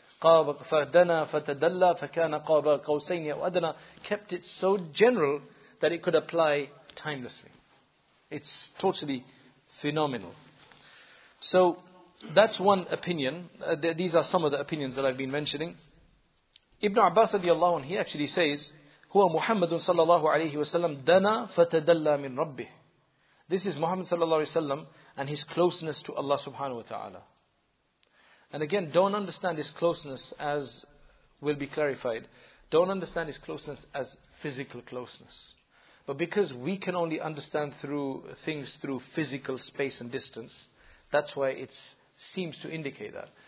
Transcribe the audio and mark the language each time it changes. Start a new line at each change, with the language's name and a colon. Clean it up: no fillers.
Arabic: فَدَنَا فَتَدَلَّا فَكَانَ قَابَ قَوْسَيْنِ وَأَدَنَا,
English: kept it so general that it could apply timelessly. It's totally phenomenal. So that's one opinion. These are some of the opinions that I've been mentioning. Ibn Abbas radiallahu anhu, he actually says,
Arabic: هُوَ مُحَمَّدٌ صَلَّى اللَّهُ عَلَيْهِ وَسَلَّمْ دَنَا فَتَدَلَّا مِنْ رَبِّهِ.
English: This is Muhammad sallallahu alayhi wa sallam and his closeness to Allah subhanahu wa ta'ala. And again, don't understand his closeness as will be clarified. Don't understand his closeness as physical closeness. But because we can only understand through things through physical space and distance, that's why it seems to indicate that.